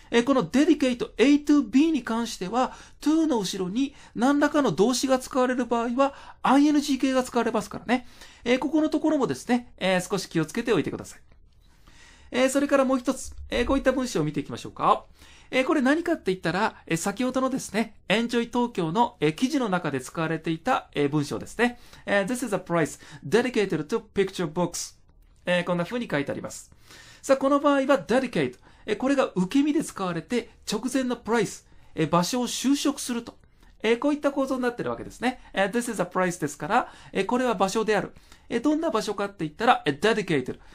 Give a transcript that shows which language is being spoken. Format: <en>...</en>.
<ja>この dedicate A to B に関しては、to の後ろに何らかの動詞が使われる場合は、ing 形が使われますからね。ここのところもですね、少し気をつけておいてください。それからもう一つ、こういった文章を見ていきましょうか。これ何かって言ったら、先ほどのですね、Enjoy Tokyo の記事の中で使われていた文章ですね。</ja> <en>This is a prize dedicated to picture books.</en> <ja>こんな風に書いてあります。さあ、この場合は dedicate。これが受け身で使われて、直前の price、場所を修飾すると。こういった構造になっているわけですね。</ja> <en>This is a prize</en> <ja>ですから、これは場所である。どんな場所かって言ったら、dedicated。</ja>